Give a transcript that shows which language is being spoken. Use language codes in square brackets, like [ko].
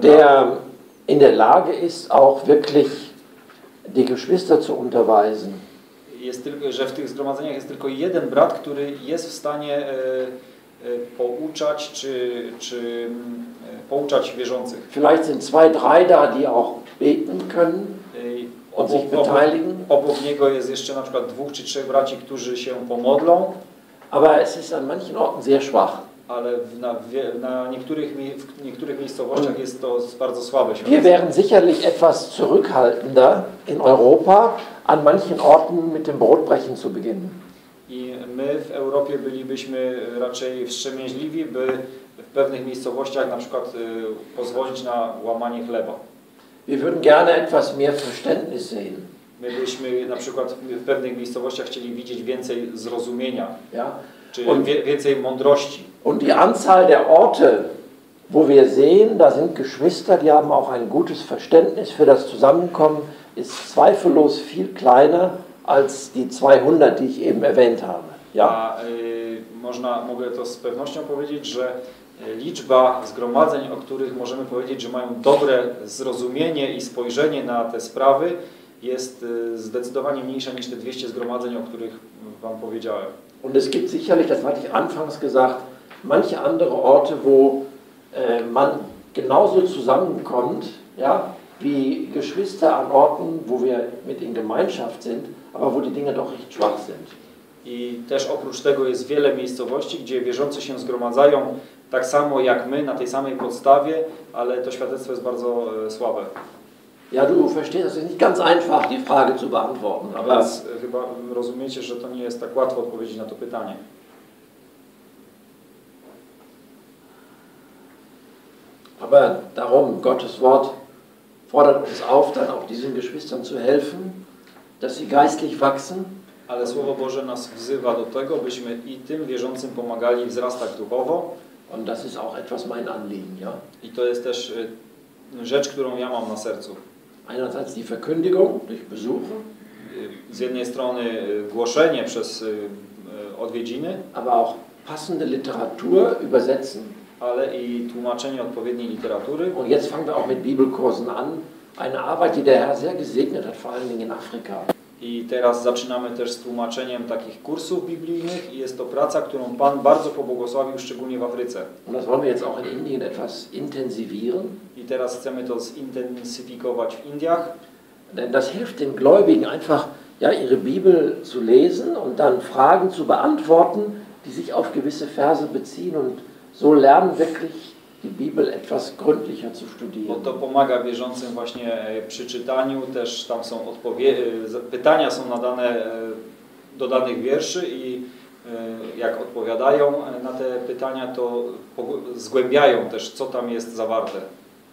[de] Der in der Lage ist auch wirklich die Geschwister zu unterweisen. [pl] Jest tylko, że w tych zgromadzeniach jest tylko jeden brat, który jest w stanie pouczać czy pouczać wierzących. [de] Vielleicht sind zwei, drei da, die auch beten können und sich beteiligen. [pl] Obok niego jest jeszcze na przykład dwóch czy trzech braci, którzy się pomodlą. [de] Aber es ist an manchen Orten sehr schwach. [pl] Ale w niektórych miejscowościach jest to bardzo słabe. [de] Wir wären sicherlich etwas zurückhaltender in Europa an manchen Orten mit dem Brotbrechen zu beginnen. [pl] I my w Europie bylibyśmy raczej wstrzemięźliwi, by w pewnych miejscowościach na przykład pozwolić na łamanie chleba. [de] Wir würden gerne etwas mehr Verständnis sehen. [pl] My byśmy na przykład w pewnych miejscowościach chcieli widzieć więcej zrozumienia, [de] ja? [pl] Czy więcej mądrości. [de] Und die Anzahl der Orte, wo wir sehen, da sind Geschwister, die haben auch ein gutes Verständnis für das Zusammenkommen, ist zweifellos viel kleiner als die 200, die ich eben erwähnt habe. [pl] Ja, mogę to z pewnością powiedzieć, że liczba zgromadzeń, o których możemy powiedzieć, że mają dobre zrozumienie i spojrzenie na te sprawy, jest zdecydowanie mniejsza niż te 200 zgromadzeń, o których wam powiedziałem. [de] Und es gibt sicherlich, das hatte ich anfangs gesagt, manche andere Orte, wo man genauso zusammenkommt, ja, wie Geschwister an Orten, wo wir mit in Gemeinschaft sind, aber wo die Dinge doch recht schwach sind. [pl] I też oprócz tego jest wiele miejscowości, gdzie wierzący się zgromadzają tak samo jak my, na tej samej podstawie, ale to świadectwo jest bardzo słabe. [de] Ja, du verstehst, das ist nicht ganz einfach, die Frage zu beantworten. Aber [pl] więc chyba rozumiecie, że to nie jest tak łatwo odpowiedzieć na to pytanie. [de] Aber darum, Gottes Wort fordert uns auf, dann auch diesen Geschwistern zu helfen, dass sie geistlich wachsen. [pl] Ale Słowo Boże nas wzywa do tego, byśmy i tym wierzącym pomagali wzrastać duchowo. [de] Und das ist auch etwas mein Anliegen, ja? [pl] I to jest też rzecz, którą ja mam na sercu. [de] Einerseits die Verkündigung durch Besuche. [pl] Z jednej strony głoszenie przez odwiedziny. [de] Aber auch passende Literatur übersetzen. [pl] Ale i tłumaczenie odpowiedniej literatury. [de] Und jetzt fangen wir auch mit Bibelkursen an. Eine Arbeit, die der Herr sehr gesegnet hat, vor allen Dingen in Afrika. [pl] I teraz zaczynamy też z tłumaczeniem takich kursów biblijnych i jest to praca, którą Pan bardzo pobłogosławił, szczególnie w Afryce. [de] Und das wollen wir jetzt auch in Indien etwas intensivieren. [pl] I teraz chcemy to zintensyfikować w Indiach. [de] Denn das hilft den Gläubigen einfach, ja, ihre Bibel zu lesen und dann Fragen zu beantworten, die sich auf gewisse Verse beziehen und so lernen wirklich die Bibel etwas gründlicher zu studieren. [pl] Bo to pomaga wierzącym właśnie przy czytaniu, też tam są pytania są nadane do danych wierszy i jak odpowiadają na te pytania, to zgłębiają też, co tam jest zawarte.